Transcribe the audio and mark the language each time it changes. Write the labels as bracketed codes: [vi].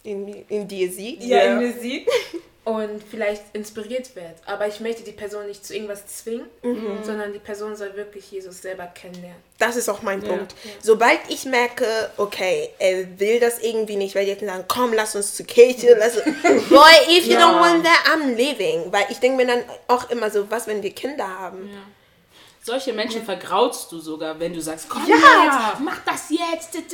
[de] in dir sieht. Ja, in mir sieht. Und vielleicht inspiriert wird. Aber ich möchte die Person nicht zu irgendwas zwingen, sondern die Person soll wirklich Jesus selber kennenlernen. Das ist auch mein Punkt. Sobald ich merke, okay, er will das irgendwie nicht, weil die jetzt sagen, komm, lass uns zur Kirche. [en] Boy, if you don't want that, I'm leaving. [de] Weil ich denke mir dann auch immer so, was, wenn wir Kinder haben? Ja. Solche Menschen vergraust du sogar, wenn du sagst, komm, mach das jetzt.